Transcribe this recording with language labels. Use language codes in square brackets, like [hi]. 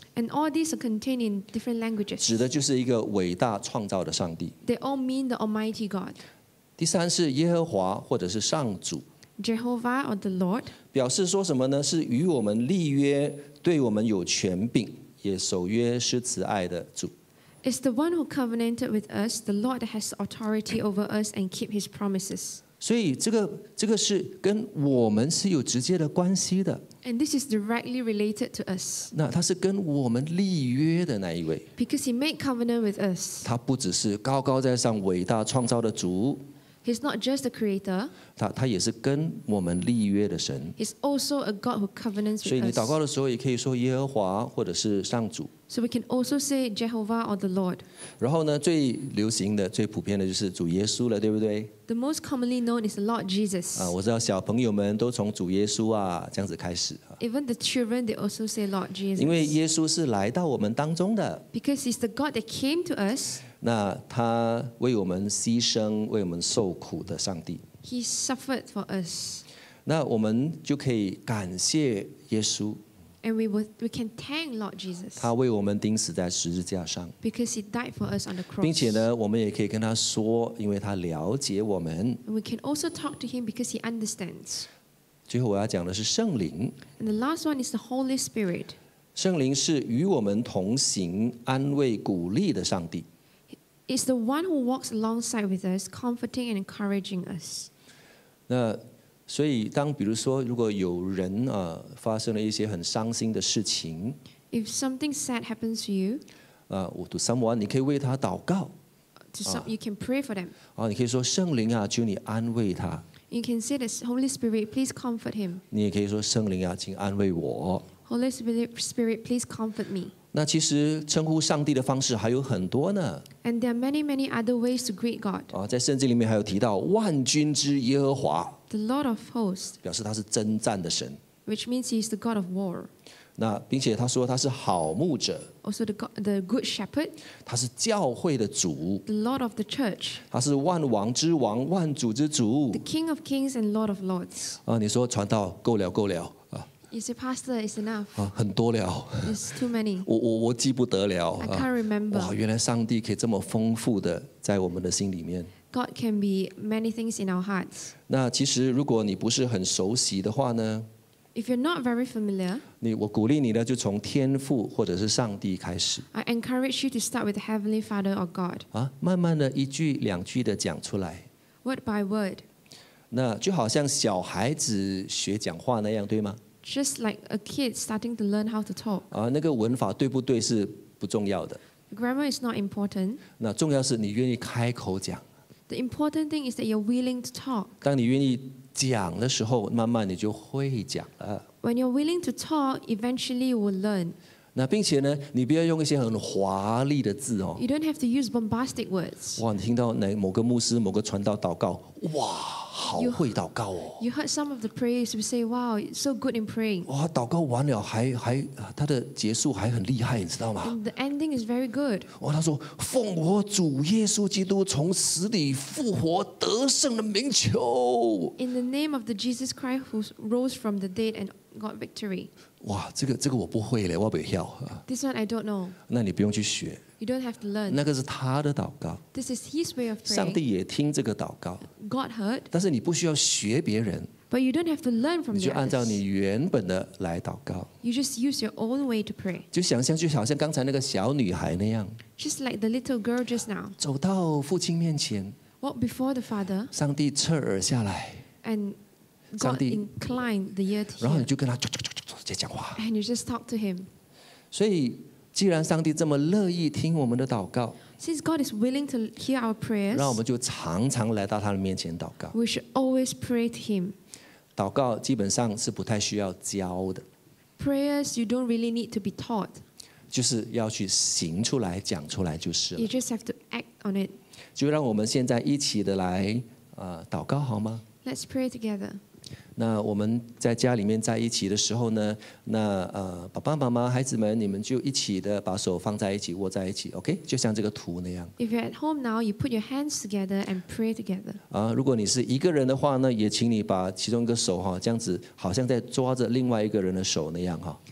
[en] And all these are contained in different languages。 [zh] 指的就是一个伟大创造的上帝。 [en] They all mean the Almighty God。 [zh] 第三是耶和华或者是上主。 [en] Jehovah or the Lord。 [zh] 表示说什么呢？是与我们立约，对我们有权柄。也守约施慈爱的主。 [en] It's the one who covenanted with us, the Lord that has authority over us and keep His promises. [zh] 所以这个是跟我们是有直接的关系的。 [en] And this is directly related to us. [zh] 那他是跟我们立约的那一位。 [en] Because He made covenant with us. [zh] 他不只是高高在上伟大创造的主。 [en] He's not just the creator. [zh] 他也是跟我们立约的神。 [en] He's also a God who covenants with us. [zh] 所以你祷告的时候也可以说耶和华或者是上主。 [en] So we can also say Jehovah or the Lord. [zh] 然后呢，最流行的、最普遍的就是主耶稣了，对不对 [en] ？The most commonly known is the Lord Jesus. [zh] 我知道小朋友们都从主耶稣啊这样子开始。 [en] Even the children they also say Lord Jesus. [zh] 因为耶稣是来到我们当中的。 [en] Because he's the God that came to us. [zh] 那他为我们牺牲、为我们受苦的上帝。 [en] He suffered for us. [zh] 那我们就可以感谢耶稣。 [en] And we can thank Lord Jesus. [zh] 他为我们钉死在十字架上。 [en] Because he died for us on the cross. [zh] 并且呢，我们也可以跟他说，因为他了解我们。 [en] And we can also talk to him because he understands. [zh] 最后我要讲的是圣灵。 [en] And the last one is the Holy Spirit. [zh] 圣灵是与我们同行、安慰、鼓励的上帝。 [en] It's the one who walks alongside with us, comforting and encouraging us. [zh] 那所以当比如说如果有人发生了一些很伤心的事情 [en] If something sad happens to you to someone [zh] 你可以为他祷告 [en] You can pray for them [zh] 你可以说圣灵啊求你安慰他 [en] You can say the Holy Spirit please comfort him [zh] 你也可以说圣灵啊请安慰我 [en] Holy Spirit please comfort me [zh] 那其实称呼上帝的方式还有很多呢 [en] And there are many many other ways to greet God [zh] 在圣经里面还有提到万军之耶和华 [en] The Lord of Hosts, [zh] 表示他是征战的神 [en] which means he is the God of war. [zh] 那并且他说他是好牧者 [en] also the good shepherd. [zh] 他是教会的主 [en] the Lord of the church. [zh] 他是万王之王，万主之主 [en] the King of kings and Lord of lords. [zh] 你说传道够了，够了 [en] You say, Pastor, it's enough. [zh] 很多了 [en] It's too many. [zh] 我记不得了 [en] I can't remember. [zh] 原来上帝可以这么丰富的在我们的心里面。 [en] God can be many things in our hearts. [zh] 那其实如果你不是很熟悉的话呢 [en] ？If you're not very familiar, [zh] 我鼓励你呢，就从天父或者是上帝开始。 [en] I encourage you to start with the Heavenly Father or God. [zh] 慢慢的一句两句的讲出来。 [en] Word by word. [zh] 那就好像小孩子学讲话那样，对吗 [en] ？Just like a kid starting to learn how to talk. [zh] 那个文法对不对是不重要的。 [en] Grammar is not important. [zh] 那重要是你愿意开口讲。 [en] The important thing is that you're willing to talk. [zh] 当你愿意讲的时候，慢慢你就会讲了。 [en] When you're willing to talk, eventually you will learn. [zh] 那并且呢，你不要用一些很华丽的字哦。 [en] You don't have to use bombastic words. [zh] 哇，你听到某个牧师、某个传道祷告，哇，好会祷告哦。 [en] You heard some of the prayers. We say, "Wow, so good in praying." [zh] 哇，祷告完了还他的结束还很厉害，你知道吗 [en] ？The ending is very good. [zh] 哇，他说：“奉我主耶稣基督从死里复活得胜的名求。” [en] In the name of the Jesus Christ who rose from the dead and got victory. [zh] 哇，这个我不会嘞，我不会。 [en] This one I don't know. [zh] 那你不用去学。 [en] You don't have to learn. [zh] 那个是他的祷告。 [en] This is his way of praying. [zh] 上帝也听这个祷告。 [en] God heard. [zh] 但是你不需要学别人。 [en] But you don't have to learn from them. [zh] 你就按照你原本的来祷告。 [en] You just use your own way to pray. [zh] 就想象就好像刚才那个小女孩那样。 [en] Just like the little girl just now. [zh] 走到父亲面前。 [en] Walk before the father. [zh] 上帝侧耳下来。 [en] And God inclined the ear to hear. [zh] 然后你就跟他讲话。 [en] And you just talk to him. [zh] 所以。既然上帝这么乐意听我们的祷告， [en] Since God is willing to hear our prayers， [zh] 让我们就常常来到他的面前祷告。 [en] We should always pray to him。 [zh] 祷告基本上是不太需要教的。 [en] Prayers you don't really need to be taught。 [zh] 就是要去行出来、讲出来就是了。 [en] You just have to act on it。 [zh] 就让我们现在一起的来祷告好吗 [en] ？Let's pray together。 [zh] 那我们在家里面在一起的时候呢，那爸爸妈妈、孩子们，你们就一起的把手放在一起，握在一起 ，OK？就像这个图那样。 [en] If you're at home now, you put your hands together and pray together。 [zh] 如果你是一个人的话呢，也请你把其中一个手哈，这样子好像在抓着另外一个人的手那样哈。